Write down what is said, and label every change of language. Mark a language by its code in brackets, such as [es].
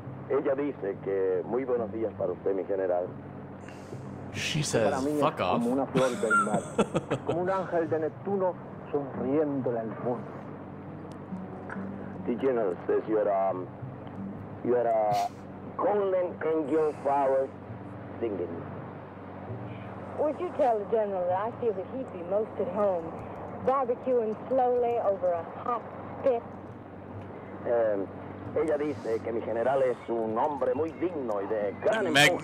[es] Ella dice que muy buenos días para usted, mi general. [en] She says, fuck off. [es] Como una flor del mar. Como un ángel de Neptuno sonriéndole al mundo. [en] The general says you're a golden angel flower singing. Would you tell the general that I feel that he'd be most at home barbecuing slowly over a hot spit? [es] Ella dice que mi general es un hombre muy digno y de gran importancia.